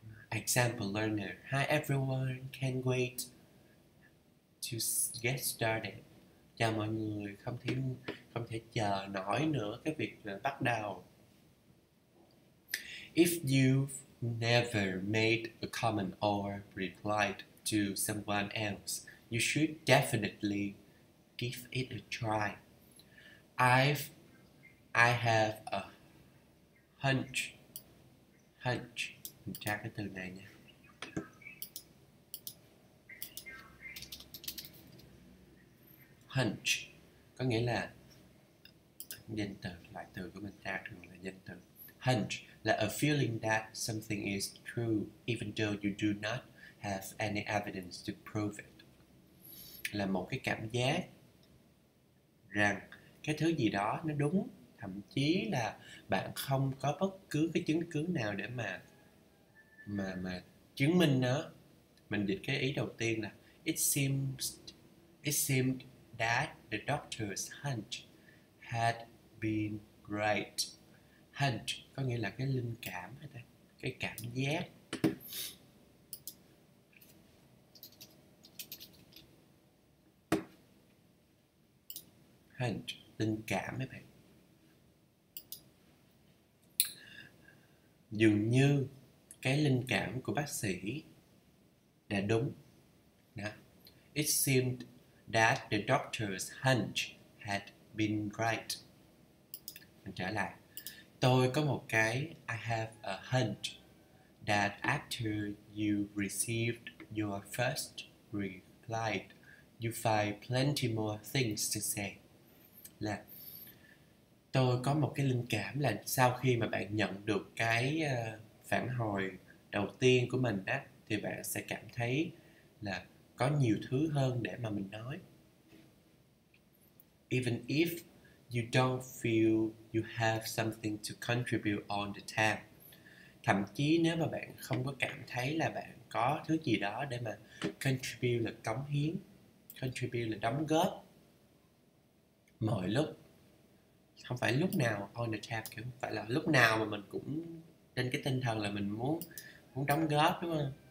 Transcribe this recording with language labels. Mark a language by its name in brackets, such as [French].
[English] Example learner. Hi everyone, can't wait to get started. [Vietnamese] Chào mọi người, không thể chờ nổi nữa cái việc là bắt đầu. [English] If you've never made a comment or replied to someone else, you should definitely give it a try. I have a hunch. Hunch. [Vietnamese] Mình tra cái từ này nha. Hunch có nghĩa là danh từ, loại từ của mình tra thường là danh từ. [English] Hunch là a feeling that something is true even though you do not have any evidence to prove it. [Vietnamese] Là một cái cảm giác rằng cái thứ gì đó nó đúng, thậm chí là bạn không có bất cứ cái chứng cứ nào để mà chứng minh nó. Mình dịch cái ý đầu tiên là [English] it seemed that the doctor's hunch had been right. [Vietnamese] Hunch có nghĩa là cái linh cảm hay ta, cái cảm giác. Hunch, linh cảm mấy bạn. Dường như cái linh cảm của bác sĩ đã đúng. Đó. [English] It seemed that the doctor's hunch had been right. [Vietnamese] Mình trở lại. Tôi có một cái [English] I have a hunch that after you received your first reply, you find plenty more things to say. [Vietnamese] Là tôi có một cái linh cảm là sau khi mà bạn nhận được cái phản hồi đầu tiên của mình á, thì bạn sẽ cảm thấy là có nhiều thứ hơn để mà mình nói. [English] Even if you don't feel you have something to contribute all the time. [Vietnamese] Thậm chí nếu mà bạn không có cảm thấy là bạn có thứ gì đó để mà contribute là cống hiến, contribute là đóng góp. Mọi lúc, không phải lúc nào [English] on the tap, [Vietnamese] kiểu không phải là lúc nào mà mình cũng trên cái tinh thần là mình muốn muốn đóng góp, đúng không?